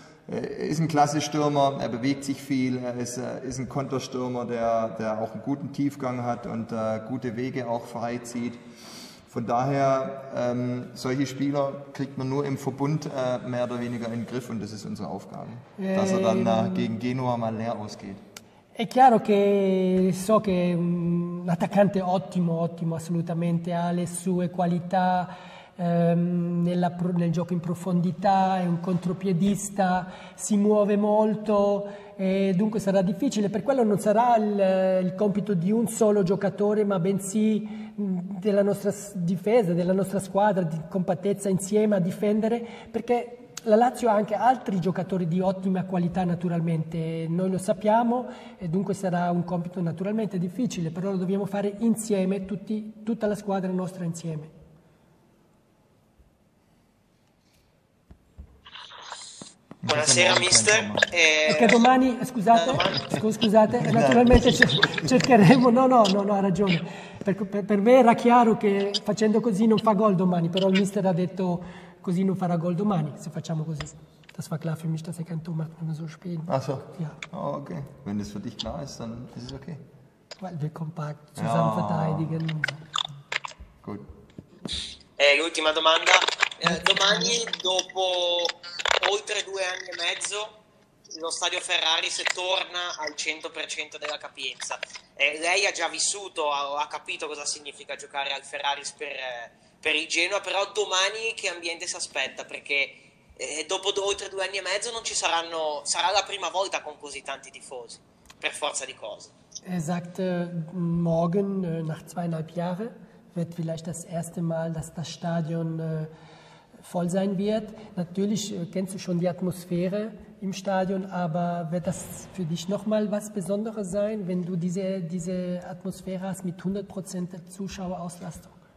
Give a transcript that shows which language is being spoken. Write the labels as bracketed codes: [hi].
[de] Er ist ein klasse Stürmer, er bewegt sich viel, er ist ein Konterstürmer, der auch einen guten Tiefgang hat und gute Wege auch freizieht. Von daher, solche Spieler kriegt man nur im Verbund mehr oder weniger in den Griff und das ist unsere Aufgabe, dass er dann gegen Genua mal leer ausgeht. [it] È chiaro che so che un attaccante ottimo, ottimo assolutamente, ha le sue qualità nel gioco in profondità, è un contropiedista, si muove molto e dunque sarà difficile. Per quello non sarà il compito di un solo giocatore, ma bensì della nostra difesa, della nostra squadra, di compattezza insieme a difendere, perché la Lazio ha anche altri giocatori di ottima qualità naturalmente, noi lo sappiamo e dunque sarà un compito naturalmente difficile, però lo dobbiamo fare insieme, tutta la squadra nostra insieme. Buonasera mister. Perché domani, scusate, naturalmente cercheremo, no, ha ragione. Per me era chiaro che facendo così non fa gol domani, però il mister ha detto così non farà gol domani, se facciamo così. [de] Das war klar für mich, dass er kein Tor macht, wenn wir so spielen. Ach so. Ja. Oh, okay. Wenn das für dich klar ist, dann ist es okay. Weil wir kompakt zusammen verteidigen. Gut. [it] L'ultima domanda. Domani, dopo oltre due anni e mezzo, lo stadio Ferrari se torna al 100% della capienza. Lei ha già vissuto, ha capito cosa significa giocare al Ferraris per il Genoa, però domani che ambiente si aspetta? Perché dopo oltre due anni e mezzo non ci saranno, sarà la prima volta con così tanti tifosi, per forza di cose. [de] Er sagte, morgen, nach zweieinhalb Jahren, wird vielleicht das erste Mal, dass das Stadion voll sein wird. Natürlich kennst du schon die Atmosphäre im Stadion, aber wird das für dich nochmal was Besonderes sein, wenn du diese Atmosphäre hast mit 100% der Zuschauerauslastung?